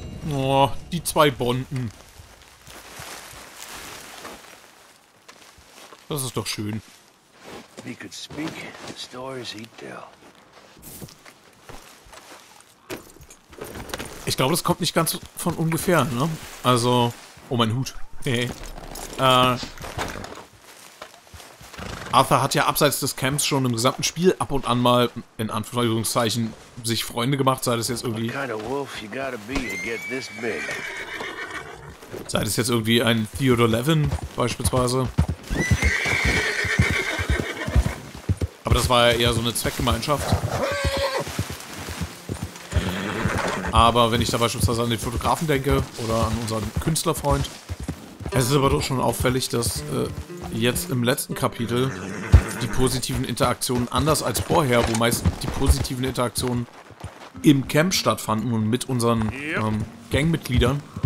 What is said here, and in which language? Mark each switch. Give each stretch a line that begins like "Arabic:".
German: Oh, die zwei Bonden. Das ist doch schön.
English: If he could speak, the stories he'd tell.
German: Ich glaube, das kommt nicht ganz von ungefähr, ne? Also, oh, mein Hut. Hey. Arthur hat ja abseits des Camps schon im gesamten Spiel ab und an mal, in Anführungszeichen, sich Freunde gemacht, sei das jetzt irgendwie...
English: What kind of wolf you gotta be to get this big?
German: Sei das jetzt irgendwie ein Theodore Levin beispielsweise. Aber das war ja eher so eine Zweckgemeinschaft. Aber wenn ich da beispielsweise an den Fotografen denke oder an unseren Künstlerfreund, es ist aber doch schon auffällig, dass jetzt im letzten Kapitel die positiven Interaktionen anders als vorher, wo meist die positiven Interaktionen im Camp stattfanden und mit unseren Gangmitgliedern